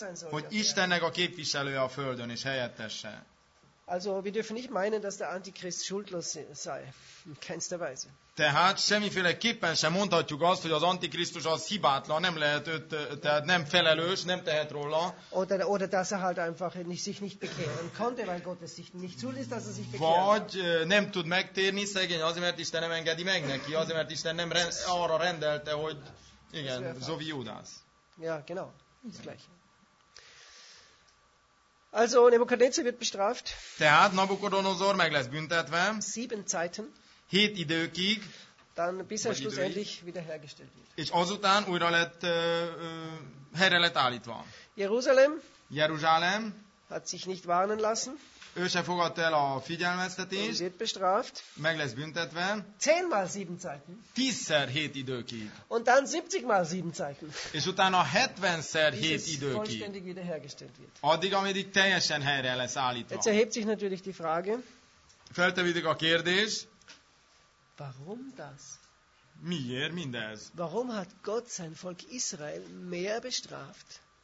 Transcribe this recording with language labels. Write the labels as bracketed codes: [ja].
[hu] Hogy Istennek a képviselője a földön és helyettese. [de] Also, wir dürfen nicht meinen, dass der Antichrist schuldlos sei. In keinster Weise. [hu] Tehát semmiféleképpen sem mondhatjuk azt, hogy az Antikrisztus az hibátlan, nem lehet őt, tehát nem felelős, nem tehet róla. [de] Oder dass er halt einfach nicht, sich nicht bekehren konnte, weil Gott es sich nicht zuließ, dass er sich bekehren. [hu] Vagy nem tud megtérni, szegény, azért, mert Isten nem engedi meg neki, azért, mert Isten nem arra rendelte, hogy igen, [de] so wie Judas. Ja, genau, ist gleich. Also Nebukadnezar wird bestraft. [hu] Tehát Nabukodonozor meg lesz büntetve. [de] 7 Zeiten. [hu] 7 időkig. [de] Dann bis er schlussendlich wiederhergestellt wird. [hu] És azután újra lett helyre lett állítva. [de] Jeruzsálem hat sich nicht warnen lassen. [hu] Ő se fogadta el a figyelmeztetést. [de] Wird bestraft. [hu] Meg lesz büntetve. [de] 10 mal 7 Zeiten. [hu] 10-szer 7 időkig. [de] Und dann 70 mal 7 Zeiten. [hu] És utána 70-szer 7 időkig. [de] Vollständig wiederhergestellt wird. [hu] Addig, ameddig teljesen helyre lesz állítva. [de] Jetzt erhebt sich natürlich die Frage. [hu] Feltevődik a kérdés. [de] Warum das? [hu] Miért mindez? [de] Warum hat Gott sein Volk Israel mehr bestraft?